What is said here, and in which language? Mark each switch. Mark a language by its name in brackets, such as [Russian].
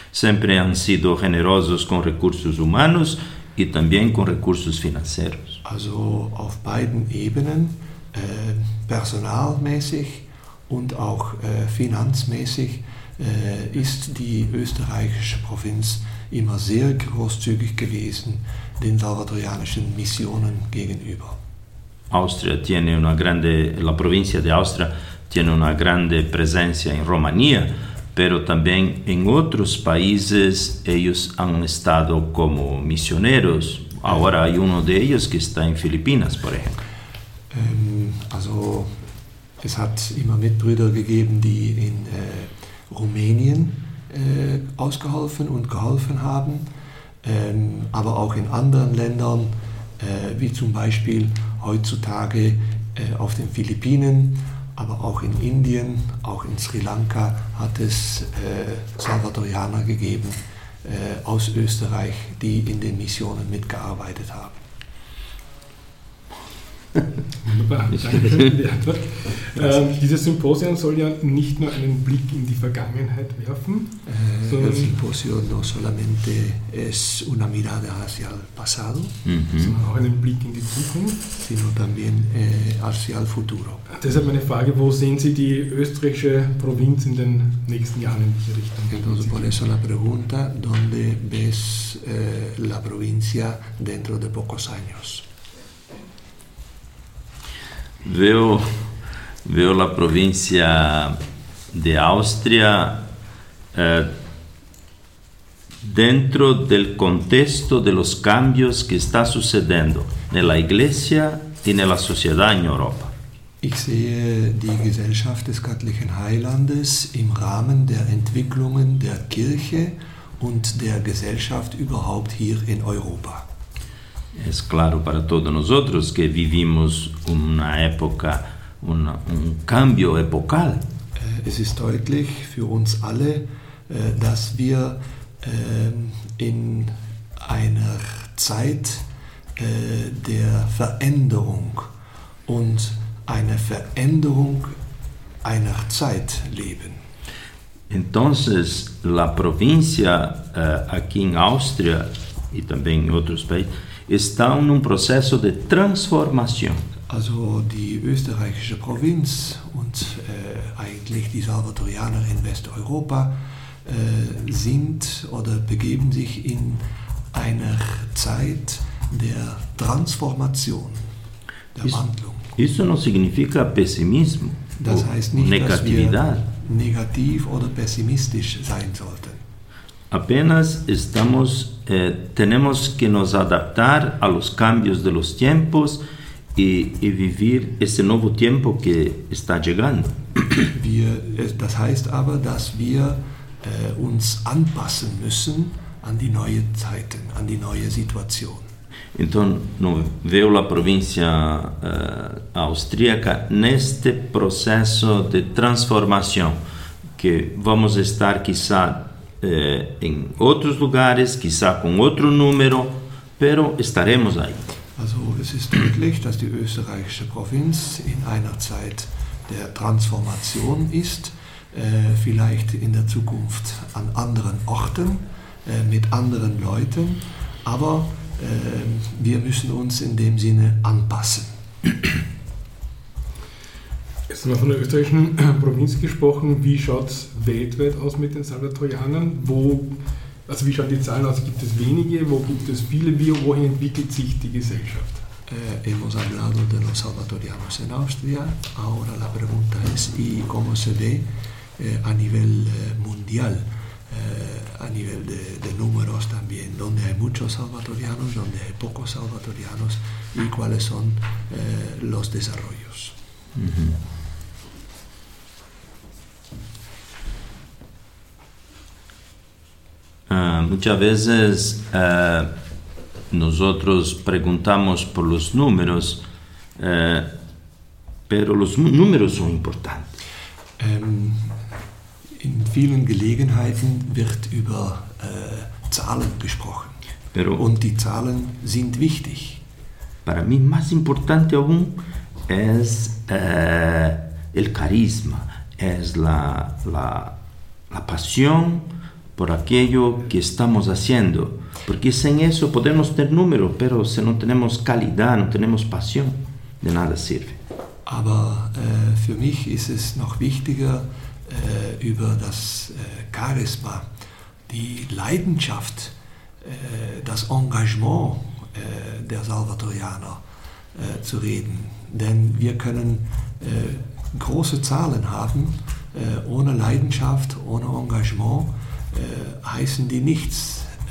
[Spanish] Siempre han sido generosos con recursos humanos y también con recursos financieros. [German] Also auf beiden Ebenen, personalmäßig und auch finanzmäßig, ist die österreichische Provinz immer sehr großzügig gewesen den salvadorianischen Missionen gegenüber. [Spanish] Austria tiene una grande, la provincia de Austria tiene una grande presencia en Rumanía, pero también en otros países ellos han estado como misioneros. Ahora hay uno de ellos que está en Filipinas, por ejemplo. [German] Also, es hat immer Mitbrüder gegeben, die in Rumänien ausgeholfen und geholfen haben, aber auch in anderen Ländern, wie zum Beispiel heutzutage auf den Philippinen, aber auch in Indien, auch in Sri Lanka hat es Salvadorianer gegeben aus Österreich, die in den Missionen mitgearbeitet haben. Wunderbar, danke für die Antwort. Dieses Symposium soll ja nicht nur einen Blick in die Vergangenheit werfen, sondern das Symposium [Spanish] no solamente es una mirada hacia el pasado, [German] sondern auch einen Blick in die Zukunft, [Spanish] sino también hacia el futuro. [German] Deshalb meine Frage: Wo sehen Sie die österreichische Provinz in den nächsten Jahren in diese Richtung? [Spanish] Entonces, por eso la pregunta: ¿Dónde ves la provincia dentro de pocos años? Veo la provincia de Austria dentro del contexto de los cambios que está sucediendo en la Iglesia y en la sociedad en Europa. [German] Ich sehe die Gesellschaft des göttlichen Heilandes im Rahmen der Entwicklungen der Kirche und der Gesellschaft überhaupt hier in Europa. [Spanish] Es claro para todos nosotros que vivimos una época, un cambio epocal. [German] Es ist deutlich für uns alle, dass wir in einer Zeit der Veränderung und einer Veränderung einer Zeit leben. [Spanish] Entonces, la provincia aquí en Austria [Portuguese] e também em outros países, estão num processo de transformação. [German] Also die österreichische Provinz und eigentlich die Salvadorianer in Westeuropa sind oder begeben sich in einer Zeit der Transformation, der Wandlung. [Portuguese] Isso não significa pessimismo. [German] Das heißt nicht, Negatividade. Dass wir negativ oder pessimistisch sein sollten. [Portuguese] Apenas estamos temos que nos adaptar aos [Spanish] cambios de los tiempos [Portuguese] e viver esse novo tempo que está chegando. [German] Das heißt aber, dass wir uns anpassen müssen an die neue Zeiten, an die neue Situation. [Portuguese] Então, no veio a província austríaca neste processo de transformação, que vamos estar, quizá, em outros lugares, quizá com outro número, pero estaremos aí. [German] Also, es ist deutlich, dass die österreichische Provinz in einer Zeit der Transformation ist, vielleicht in der Zukunft an anderen Orten, mit anderen Leuten, aber wir müssen uns in dem Sinne anpassen. Jetzt haben wir von der österreichischen Provinz gesprochen. Wie schaut es weltweit aus mit den Salvadorianern? Also wie schauen die Zahlen aus? Gibt es wenige? Wo gibt es viele? Wohin entwickelt sich die Gesellschaft? [Spanish] Hemos hablado de los salvadorianos en Austria. Ahora la pregunta es, ¿y cómo se ve a nivel mundial? A nivel de números también, donde hay muchos salvadorianos, donde hay pocos salvadorianos y cuáles son los desarrollos. Muchas veces nosotros preguntamos por los números, pero los números son importantes. [German] In vielen Gelegenheiten wird über Zahlen gesprochen. [Spanish] Pero [German] und die Zahlen sind wichtig. [Spanish] Para mí más importante aún es el carisma, es la pasión por aquello que estamos haciendo. Porque sin eso podemos tener números, pero si no tenemos calidad, no tenemos pasión, de nada sirve. [German] Aber für mich ist es noch wichtiger, über das Charisma, die Leidenschaft, das Engagement der Salvadorianer zu reden. Denn wir können große Zahlen haben, ohne Leidenschaft, ohne Engagement heißen die nichts.